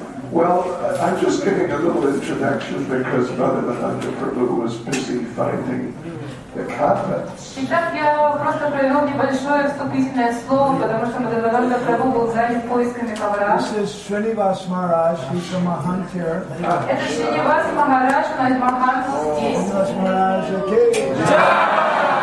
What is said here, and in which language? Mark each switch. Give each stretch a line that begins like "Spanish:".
English: Well, I'm just giving a little introduction because Bhagavananda Prabhu was busy finding the carpets.
Russian: Итак, я просто провел небольшое вступительное слово, потому что Бхагаванда Прабху был занят поисками ковра.
English: This is Srinivas Maharaj, he's a Mahant here.
Russian: Это Шринивас Махарадж, он из Маханта здесь. Шринивас Махарадж, окей.